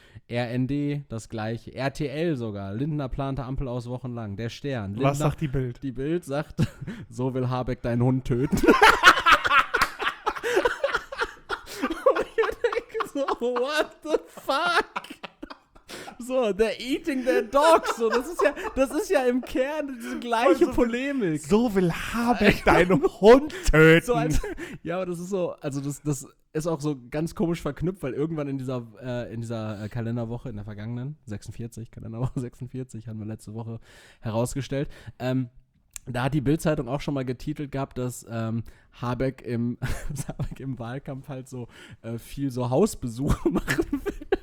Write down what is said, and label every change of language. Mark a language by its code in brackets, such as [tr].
[de] RND, das gleiche. RTL sogar. Lindner plante Ampel aus wochenlang. Der Stern. Lindner, was sagt die Bild? Die Bild sagt, so will Habeck deinen Hund töten. Und ich denke so, [en] what the fuck? So, they're eating their dogs. [de] So, das ist ja im Kern diese gleiche so Polemik. So will Habeck deinen Hund töten. So, also, ja, aber das ist so, also das ist auch so ganz komisch verknüpft, weil irgendwann in dieser Kalenderwoche, in der vergangenen, 46, Kalenderwoche 46, haben wir letzte Woche herausgestellt, da hat die Bild-Zeitung auch schon mal getitelt gehabt, dass Habeck im Wahlkampf halt so viel so Hausbesuche machen will.